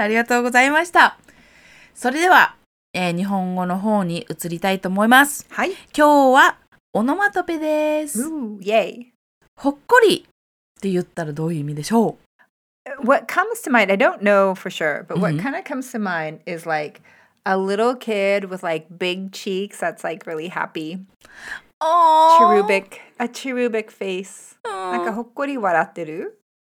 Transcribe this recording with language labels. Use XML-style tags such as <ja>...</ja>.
<ja>ありがとうございました。それでは、日本語の方に移りたいと思います。はい。今日はオノマトペです。</ja> <en>Ooh, yay.</en> <ja>ほっこりって言ったらどういう意味でしょう?</ja> <en>What comes to mind, I don't know for sure, but what kind of comes to mind is like a little kid with like big cheeks that's like really happy. Oh. A cherubic face.</en> <ja>なんかほっこり笑ってる?</ja>